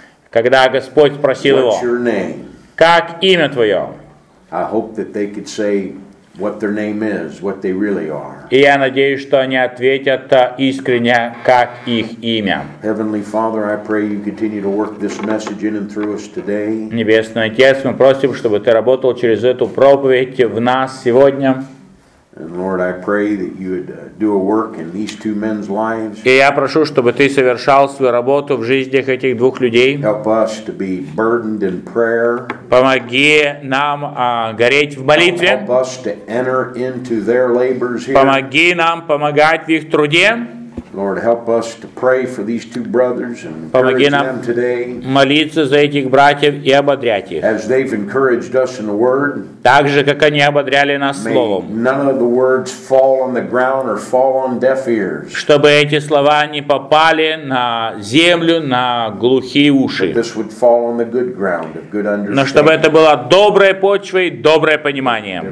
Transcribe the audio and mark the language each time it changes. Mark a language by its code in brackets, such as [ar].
[ru] Когда Господь спросил его: как имя твое? [en] I hope that they could say what their name is, what they really are. [ru] И я надеюсь, что они ответят искренне, как их имя. [en] Heavenly Father, I pray you continue to work this message in and through us today. [ru] Небесный Отец, мы просим, чтобы ты работал через эту проповедь в нас сегодня. [en] And Lord, I pray that you would do a work in these two men's lives. [ru] И я прошу, чтобы ты совершал свою работу в жизнях этих двух людей. [en] Help us to be burdened in prayer. [ru] Помоги нам гореть в молитве. [en] Help us to enter into their labors here. [ru] Помоги нам помогать в их труде. [en] Lord, help us to pray for these two brothers and encourage them today. [ru] Молиться за этих братьев и ободрять их. [en] As they've encouraged us in the word. [ru] Так же, как они ободряли нас словом. [en] May none of the words fall on the ground or fall on deaf ears. [ru] Чтобы эти слова не попали на землю, на глухие уши. [en] But this would fall on the good ground of good understanding. [ru] Но чтобы это была добрая почва и доброе понимание.